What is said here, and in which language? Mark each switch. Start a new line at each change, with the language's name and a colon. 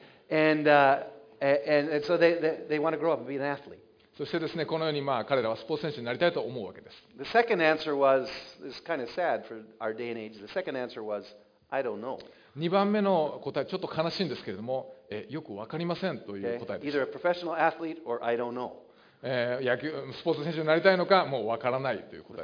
English: And so they want to grow up and be an athlete.
Japanese: そしてですね、このように、まあ、彼らはスポーツ選手になりたいと思うわけです。
English: The second answer was, this is kind of sad for our day and age. The second answer was, I don't know.
Japanese: 2番目の答え、ちょっと悲しいんですけれども、よくわかりませんという答えです。
English: Either a professional athlete or I don't know.
Japanese: 野球、スポーツ選手になりたいのか、もうわからないという答えです。